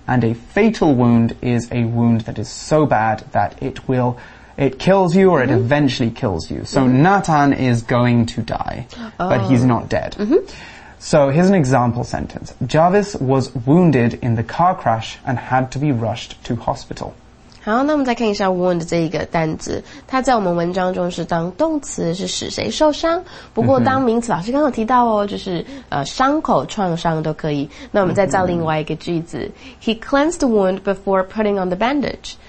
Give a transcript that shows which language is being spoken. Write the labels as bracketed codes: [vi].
[en] and a fatal wound is a wound that is so bad that it kills you or、mm-hmm. it eventually kills you. So、mm-hmm. Natan is going to die,、but he's not dead.、 Mm-hmm. So here's an example sentence. Jarvis was wounded in the car crash and had to be rushed to hospital. [zh] 好，那我们再看一下 wound 这一个单字，它在我们文章中是当动词，是使谁受伤。不过当名词，老师刚刚提到哦，就是伤口、创伤都可以。那我们再造另外一个句子、mm-hmm. [en] ，He cleansed the wound before putting on the bandage.